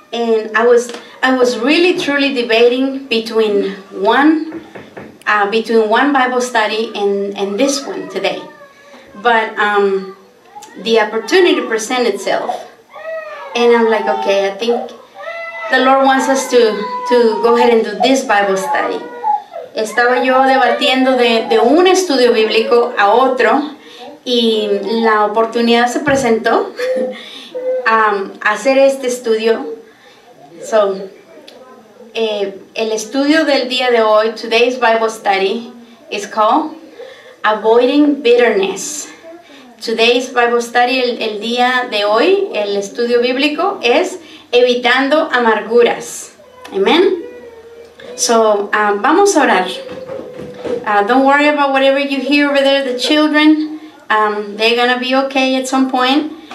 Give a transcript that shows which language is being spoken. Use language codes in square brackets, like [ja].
[en] And I was really truly debating between one Bible study and this one today. But the opportunity presented itself, and I'm like, okay, I think the Lord wants us to go ahead and do this Bible study. [es] Estaba yo debatiendo de un estudio bíblico a otro, y la oportunidad se presentó a hacer este estudio. [en] So, [es] el estudio del día de hoy, [en] today's Bible study, is called Avoiding Bitterness. Today's Bible study, [es] el día de hoy, el estudio bíblico, es Evitando Amarguras. Amen. So, vamos a orar. [en] Don't worry about whatever you hear over there, the children. They're going to be okay at some point.